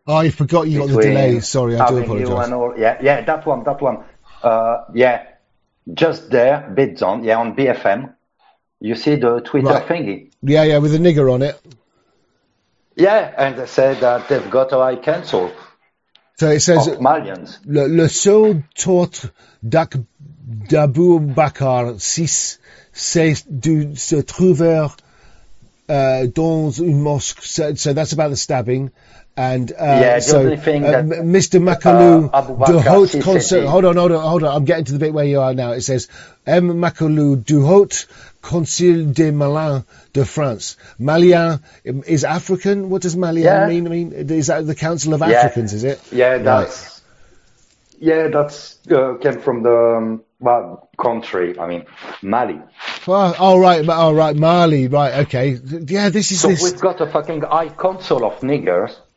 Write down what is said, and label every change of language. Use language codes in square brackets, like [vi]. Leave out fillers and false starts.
[en] Oh, I forgot you got the delay. Sorry, I do apologize. That one. Yeah. Just there, bit down. Yeah, on BFM. You see the Twitter thingy? Yeah, with a nigger on it. Yeah, and they say that they've got our eye cancelled. So it says, Malians. [fr] Le seul tort d'Abou Bakar Sis, c'est de se trouver dans une mosque. [en] So that's about the stabbing. And Mr. [fr] Makalou, du haut conseil. [en] Hold on. I'm getting to the bit where you are now. It says, M. [fr] Makalou, du haut conseil des Malins de France. [en] Malien is African. What does Malien mean? I mean, is that the Council of Africans, is it? Came from the country. I mean, Mali. All right. Mali, right. Okay. Yeah, this is so this. So we've got a fucking high council of niggers.